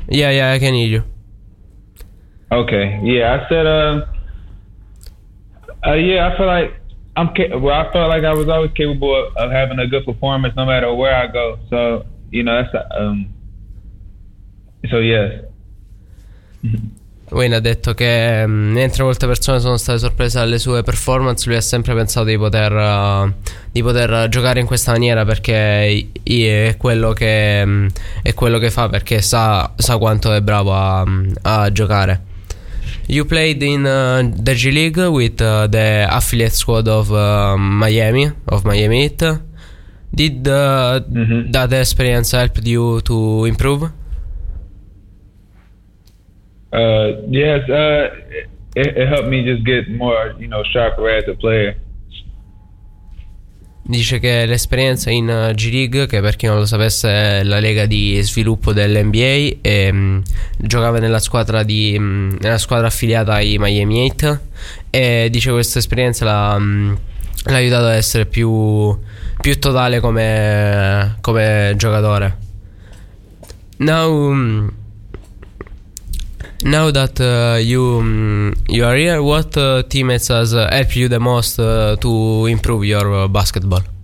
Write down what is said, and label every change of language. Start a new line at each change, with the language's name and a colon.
English: Yeah, I can hear you. Okay, yeah, I said, I feel like I felt like I was always capable of having a good performance no matter where I go, so, you know, that's So yes.
Italian: Wayne ha detto che mentre molte persone sono state sorprese dalle sue performance, lui ha sempre pensato di poter giocare in questa maniera, perché è quello che fa, perché sa quanto è bravo a giocare.
English: You played in the G League with the affiliate squad of Miami Heat. Did that experience help you to improve? Yes, it helped me just get more, you know, sharper as a player.
Italian: Dice che l'esperienza in G League, che per chi non lo sapesse è la lega di sviluppo dell'NBA, e giocava nella squadra affiliata ai Miami Heat, e dice questa esperienza l'ha aiutato ad essere più totale come giocatore.
English: Now that you are here, what teammates has helped you the most to improve your basketball?